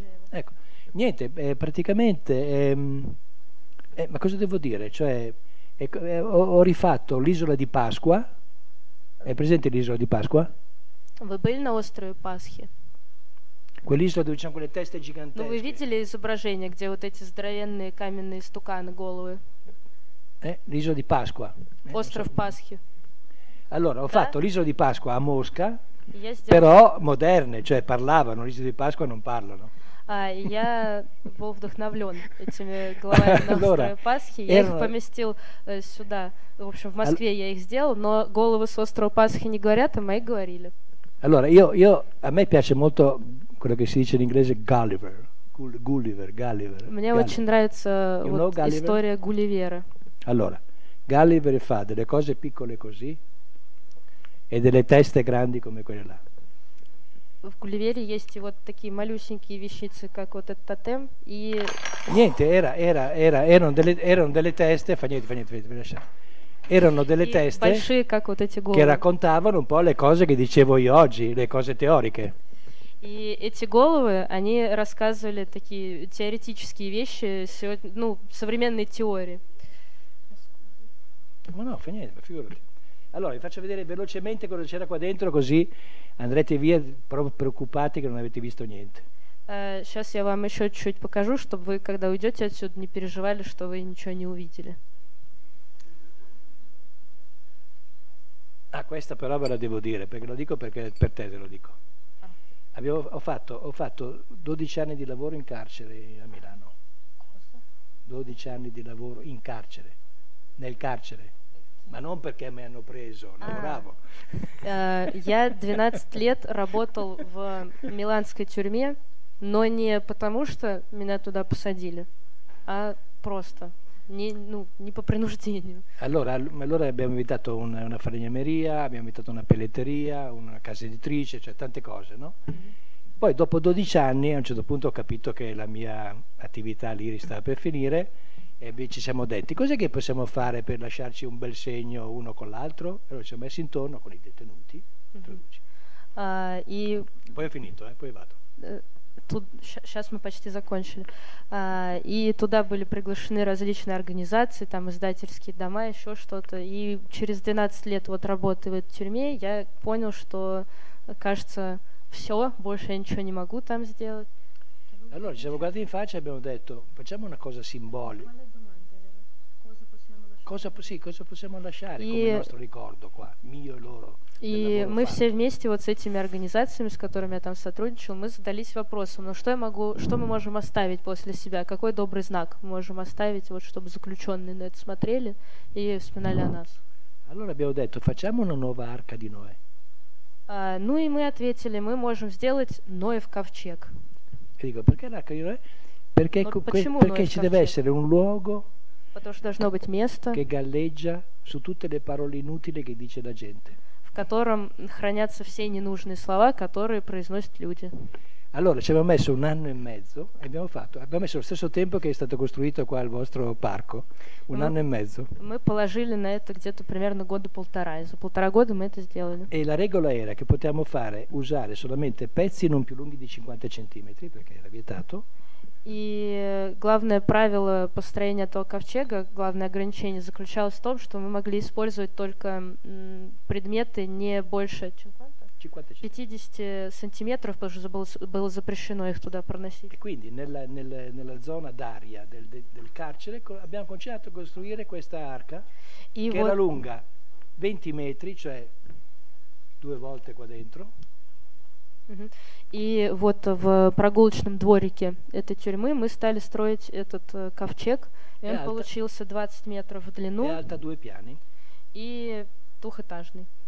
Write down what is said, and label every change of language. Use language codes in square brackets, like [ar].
[it] Ecco, niente, praticamente, ma cosa devo dire? Cioè, ho rifatto l'isola di Pasqua, è presente l'isola di Pasqua? Voi [ru] были на острове Пасхи? [it] Quell'isola dove ci sono quelle teste gigantesche. [ru] Ну, вы видели изображение, где вот эти здоровенные каменные стуканы, головы? [it] L'isola di Pasqua. [ru] Остров Пасхи. [it] Allora, ho fatto l'isola di Pasqua a Mosca. Però moderne, cioè parlavano, l'isola di Pasqua non parlano. [ru] Я был вдохновлен этими головами на острове Пасхи. Я их поместил сюда. В общем, в Москве я их сделал, но головы с острова Пасхи не говорят, а мои говорили. [it] Allora, io a me piace molto quello che si dice in inglese Gulliver. Gulliver. [ru] Мне очень нравится история Гулливера. [it] Allora, Gulliver fa delle cose piccole così. E delle teste grandi come quelle là. [ru] В Гулливере есть вот такие малюсенькие вещицы, как вот этот тотем, и... [it] Niente, erano delle teste, fa niente, lasciate. Erano delle teste [ru] большие, как вот эти головы, [it] che raccontavano un po' le cose che dicevo io oggi, le cose teoriche. [ru] И эти головы, они рассказывали такие теоретические вещи, ну, современные теории. [it] Ma no, fa niente, figurati. Allora, vi faccio vedere velocemente cosa c'era qua dentro, così andrete via proprio preoccupati che non avete visto niente. [ru] Сейчас я вам еще чуть-чуть покажу, чтобы вы, когда уйдете отсюда, не переживали, что вы ничего не увидели. [it] Ah, questa però ve la devo dire, perché lo dico perché per te te lo dico. Ho fatto 12 anni di lavoro in carcere a Milano. Cosa? 12 anni di lavoro in carcere, nel carcere. Ma non perché mi hanno preso, lavoravo. [ru] Я 12 лет работал в миланской тюрьме, но не потому, что меня туда посадили, а просто. Не, ну, не по принуждению. [it] Allora abbiamo invitato una falegnameria, abbiamo invitato una pelletteria, una casa editrice, cioè tante cose, no? Mm-hmm. Poi dopo 12 anni a un certo punto ho capito che la mia attività lì stava per finire e ci siamo detti: cos'è che possiamo fare per lasciarci un bel segno uno con l'altro? E allora ci siamo messi intorno con i detenuti. Poi è finito, poi vado. [ru] Сейчас мы почти закончили. И туда были приглашены различные организации, там издательские дома, еще что-то. И через 12 лет вот работы в этой тюрьме я понял, что, кажется, все, больше я ничего не могу там сделать. [it] Allora, ci siamo guardati in faccia e abbiamo detto: facciamo una cosa simbolica. Cosa possiamo lasciare come nostro ricordo qua, mio e loro? [ru] И мы все вместе вот с этими организациями, с которыми я там сотрудничал, мы задались вопросом: ну что я могу, что мы можем оставить после себя, какой добрый знак мы можем оставить, вот чтобы заключенные на это смотрели и вспоминали о нас. [it] Allora abbiamo detto: facciamo una nuova arca di Noè. [ru] Ну и мы ответили: мы можем сделать Ноев ковчег. [it] Dico, perché l'arca di Noè? Perché, perché ci deve essere un luogo. [ru] Потому что должно быть место. [it] Che galleggia su tutte le parole inutili che dice la gente. [ru] В котором хранятся все ненужные слова, которые произносят люди. [it] Allora, ci abbiamo messo un anno e mezzo e abbiamo fatto. Abbiamo messo lo stesso tempo che è stato costruito qua al vostro parco. Un anno e mezzo. [ru] Мы положили на это где-то примерно года полтора. За полтора года мы это сделали. [it] E la regola era che potevamo fare usare solamente pezzi non più lunghi di 50 centimetri, perché era vietato. [ru] И главное правило построения этого ковчега, главное ограничение заключалось в том, что мы могли использовать только предметы не больше 50 сантиметров, потому что было запрещено их туда проносить. [it] E quindi nella zona d'aria del carcere abbiamo cominciato a costruire questa arca che era lunga 20 metri, cioè due volte qua dentro. [ru] И вот в прогулочном дворике этой тюрьмы мы стали строить этот ковчег, и он получился 20 метров в длину и двухэтажный.